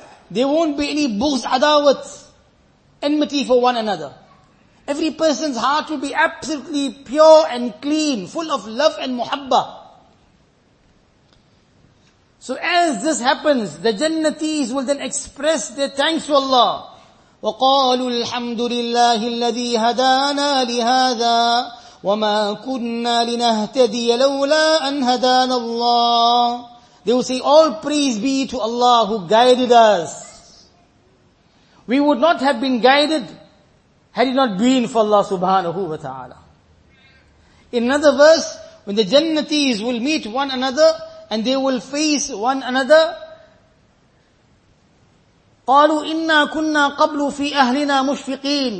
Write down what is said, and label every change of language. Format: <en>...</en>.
<en>There won't be any bughz, adawat, enmity for one another. Every person's heart will be absolutely pure and clean, full of love and muhabba. So as this happens, the jannatis will then express their thanks to Allah.</en> <ar>وَقَالُوا الْحَمْدُ لِلَّهِ الَّذِي هَدَانَا لِهَذَا وَمَا كُنَّا لِنَهْتَدِيَ لَوْلَا أَنْ هَدَانَ اللَّهِ.</ar> <en>They will say, all praise be to Allah who guided us. We would not have been guided had it not been for Allah subhanahu wa ta'ala. In another verse, when the jannatis will meet one another and they will face one another,</en> <ar>قَالُوا إِنَّا كُنَّا قَبْلُ فِي أَهْلِنَا مُشْفِقِينَ.</ar>